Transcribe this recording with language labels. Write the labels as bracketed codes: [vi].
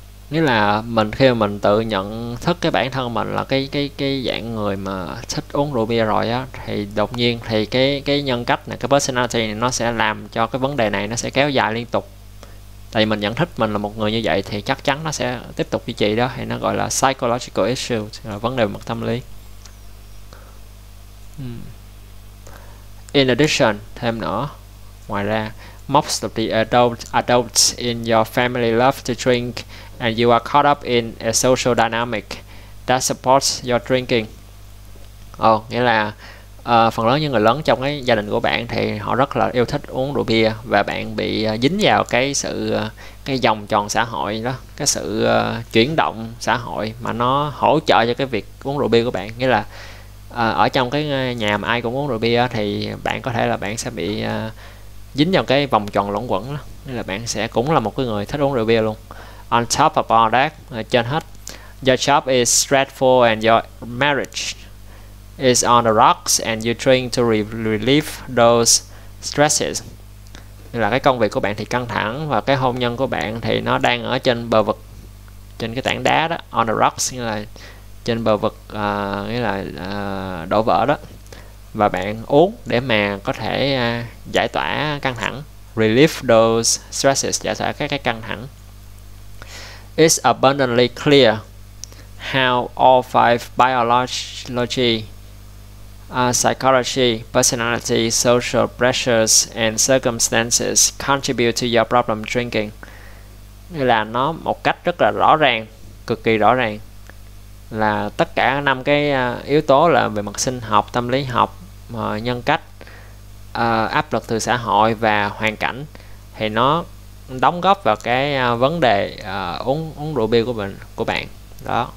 [vi] Nghĩa là mình khi mà mình tự nhận thức cái bản thân mình là cái dạng người mà thích uống rượu bia rồi á, thì đột nhiên thì cái nhân cách này, cái personality này nó sẽ làm cho cái vấn đề này nó sẽ kéo dài liên tục. Tại vì mình nhận thức mình là một người như vậy thì chắc chắn nó sẽ tiếp tục duy trì đó, hay nó gọi là psychological issue, là vấn đề về mặt tâm lý. [en] In addition, [vi] thêm nữa, ngoài ra, [en] most of the adults in your family love to drink and you are caught up in a social dynamic that supports your drinking. [vi] Nghĩa là phần lớn những người lớn trong cái gia đình của bạn thì họ rất là yêu thích uống rượu bia và bạn bị dính vào cái vòng tròn xã hội đó, cái sự chuyển động xã hội mà nó hỗ trợ cho cái việc uống rượu bia của bạn, nghĩa là ở trong cái nhà mà ai cũng uống rượu bia thì bạn có thể là bạn sẽ bị dính vào cái vòng tròn luẩn quẩn đó. Nên là bạn sẽ cũng là một cái người thích uống rượu bia luôn. [en] On top of all that, [vi] trên hết, [en] your job is stressful and your marriage is on the rocks and you train to relieve those stresses. [vi] Nên là cái công việc của bạn thì căng thẳng và cái hôn nhân của bạn thì nó đang ở trên bờ vực, trên cái tảng đá đó, [en] on the rocks, [vi] nghĩa là trên bờ vực, nghĩa là đổ vỡ đó, và bạn uống để mà có thể giải tỏa căng thẳng, [en] relieve those stresses, [vi] giải tỏa các cái căng thẳng. [en] It's abundantly clear how all five biology, psychology, personality, social pressures and circumstances contribute to your problem drinking. [vi] Nghĩa là nó một cách rất là rõ ràng, cực kỳ rõ ràng, là tất cả năm cái yếu tố là về mặt sinh học, tâm lý học, nhân cách, áp lực từ xã hội và hoàn cảnh thì nó đóng góp vào cái vấn đề uống rượu bia của bạn đó.